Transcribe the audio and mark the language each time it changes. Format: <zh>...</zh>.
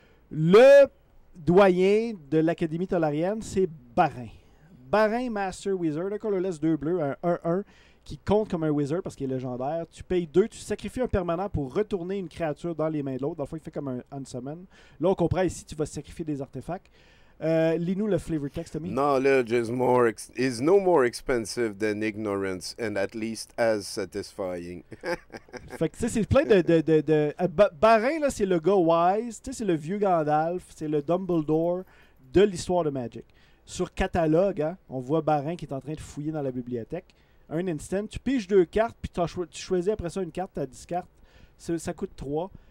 <fr>Le doyen de l'Académie Tolarienne, c'est Barin. Barin Master Wizard, un colorless 2 bleu, un 1-1, qui compte comme un wizard parce qu'il est légendaire. Tu payes 2, tu sacrifies un permanent pour retourner une créature dans les mains de l'autre. Dans le fond, il fait comme un unsummon. Là, on comprend ici, tu vas sacrifier des artefacts. Lis-nous le flavor text, Tommy.</fr> <en>Knowledge is no more expensive than ignorance and at least as satisfying.</en> <fr>Fait que, tu sais, c'est plein de Barin, là, c'est le gars wise. Tu sais, c'est le vieux Gandalf. C'est le Dumbledore de l'histoire de Magic. Sur catalogue, hein, on voit Barin qui est en train de fouiller dans la bibliothèque. Un instant, tu piges deux cartes, puis tu choisis après ça une carte, tu discardes. Ça coûte 3.</fr>